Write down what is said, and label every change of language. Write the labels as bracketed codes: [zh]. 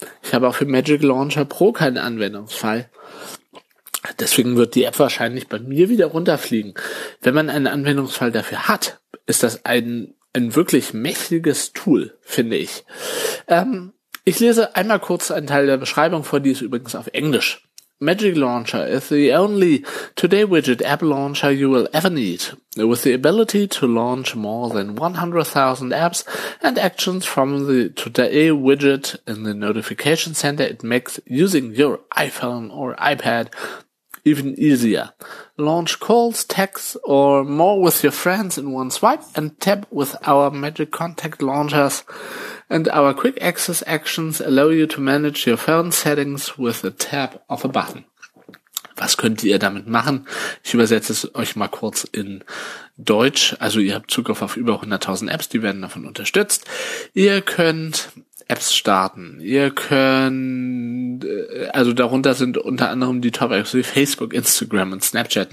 [de] Ich habe auch für Magic Launcher Pro keinen Anwendungsfall. Deswegen wird die App wahrscheinlich bei mir wieder runterfliegen. Wenn man einen Anwendungsfall dafür hat, ist das ein wirklich mächtiges Tool, finde ich. Ich lese einmal kurz einen Teil der Beschreibung vor, die ist übrigens auf Englisch. [en] Magic Launcher is the only today widget app launcher you will ever need, with the ability to launch more than 100,000 apps and actions from the today widget in the notification center. It makes using your iPhone or iPad even easier. Launch calls, texts, or more with your friends in one swipe and tap with our Magic Contact launchers. And our quick access actions allow you to manage your phone settings with a tap of a button. [de] Was könnt ihr damit machen? Ich übersetze es euch mal kurz in Deutsch. Also ihr habt Zugriff auf über 100.000 Apps, die werden davon unterstützt. Ihr könnt Apps starten. Ihr könnt, also darunter sind unter anderem die Top-Apps wie Facebook, Instagram und Snapchat.